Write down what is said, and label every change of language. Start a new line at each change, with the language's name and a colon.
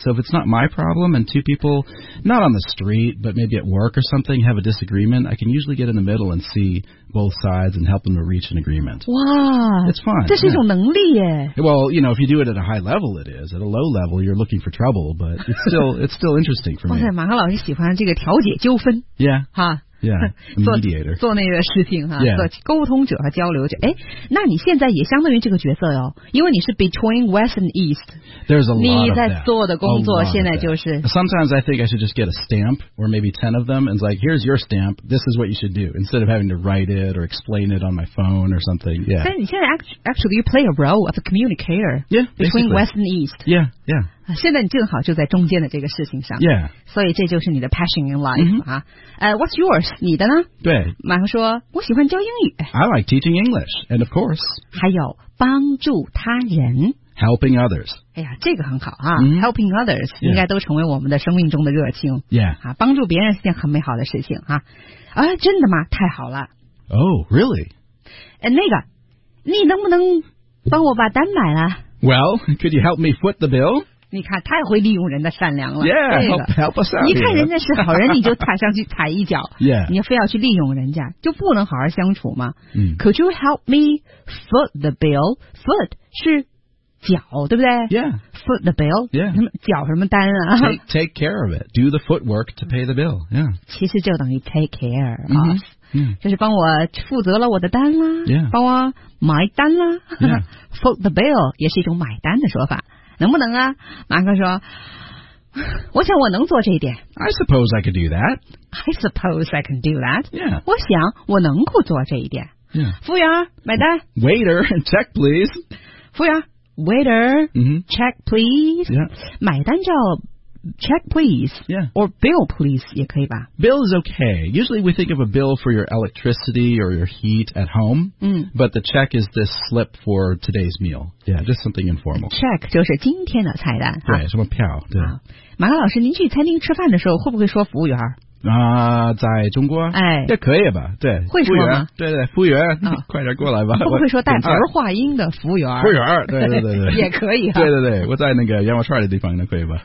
English: So if it's not my problem and two people, not on the street, but maybe at work or something, have a disagreement, I can usually get in the middle and see both sides and help them to reach an agreement. Wow. It's fun.
Chinese: 这是一种能力耶。
English: Well, you know, if you do it at a high level, it is. At a low level, you're looking for trouble, but it's still interesting for me.
Chinese: 哇塞，马克老师喜欢这个调解纠纷。
English: Yeah. Ha. Yeah, a mediator.
Chinese: 做那个事情、啊
English: yeah.
Chinese: 做沟通者和交流者诶那你现在也相当于这个角色哦因为你是
English: between West and East. There's a lot of that.
Chinese: 你在做的工作现在就是
English: Sometimes I think I should just get a stamp or maybe 10 of them and it's like, here's your stamp, this is what you should do instead of having to write it or explain it on my phone or something. Yeah.
Chinese: 但你现在
English: actually you play a role of a communicator yeah, basically. Between West and East. Yeah, yeah.
Chinese: 现在你正好就在中间的这个事情上
English: yeah
Chinese: 所以这就是你的
English: passion in life、
Chinese: mm-hmm. 啊
English: What's yours
Chinese: 你的呢对马克说我喜欢教英语
English: I like teaching English and of course
Chinese: 还有帮助他人
English: helping others
Chinese: 哎呀这个很好啊、 mm-hmm.
English: helping others
Chinese: 应该都成为我们的生命中的热情
English: yeah、
Chinese: 啊、帮助别人是件很美好的事情 啊真的吗太好了
English: oh really
Chinese: 那个你能不能帮我把单买了
English: well could you help me foot the bill
Chinese: 你看太会利用人的善良了
English: yeah, help us out
Chinese: 你看人家是好人你就踩上去踩一脚、
English: yeah.
Chinese: 你就非要去利用人家就不能好好相处吗、嗯、
English: Could you help me foot the bill Foot
Chinese: 是脚对不对
English: Yeah Foot the bill Yeah
Chinese: 脚什么单啊
English: take care of it Do the footwork to pay the bill Yeah
Chinese: 其实就等于
English: take care of、 mm-hmm. yeah.
Chinese: 就是帮我负责了我的单啦、
English: 啊、Yeah
Chinese: 帮我买单啦、啊
English: yeah. Foot the bill
Chinese: 也是一种买单的说法能不能啊马克说我想我能做这一点
English: I suppose I could do that I suppose I can do that、 yeah.
Chinese: 我想我能够做这一点、
English: yeah.
Chinese: 服务员买单
English: Waiter check please
Chinese: 服务员
English: Waiter、 mm-hmm. check please、 yeah.
Chinese: 买单叫
English: check please、 yeah. or bill please
Chinese: 也可以吧
English: Bill is okay Usually we think of a bill for your electricity or your heat at home、 mm. But the check is this slip for today's mealYeah, just something informal.
Chinese: Check 就是今天的菜单。对，什么票？对。马克老师，您去餐厅吃饭的时候会不会说服务员？在中国，哎，也可以吧？对，会说吗？对对，服务员，快点过来吧。会不会说带儿化音的服务员？服务员，对对对对，也可以、啊。对对对，我在那个羊肉串的地方，那可以吧？